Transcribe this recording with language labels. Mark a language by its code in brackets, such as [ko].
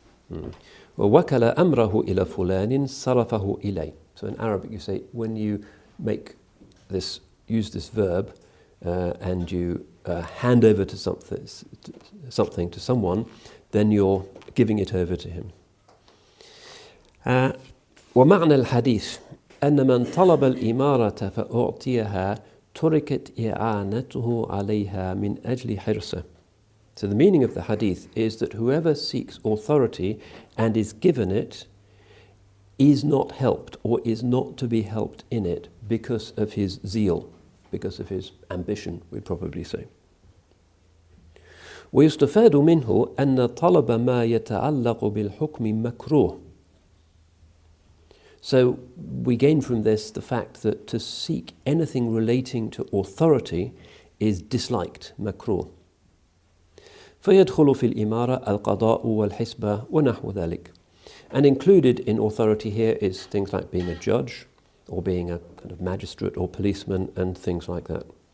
[ar] وَوَكَلَ أَمْرَهُ إِلَى فُلَانٍ صَرَفَهُ إِلَيْهِ. [en] So in Arabic you say, when you use this verb and you hand over to something to someone, then you're giving it over to him. [ar] ومعنى الحديث أن من طلب الإمارة فأعطيها تركت إعانته عليها من أجل حرصه. [en] So the meaning of the hadith is that whoever seeks authority and is given it is not helped or is not to be helped in it because of his zeal, because of his ambition, we'd probably say. [ar] ويستفاد منه أن طلب ما يتعلق بالحكم مكروه. [en] So we gain from this the fact that to seek anything relating to authority is disliked, makruh. [ar] فَيَدْخُلُ فِي الْإِمَارَةِ الْقَضَاءُ وَالْحِسْبَةُ وَنَحْوَ ذَلِكَ. [en] And included in authority here is things like being a judge or being a kind of magistrate or policeman and things like that.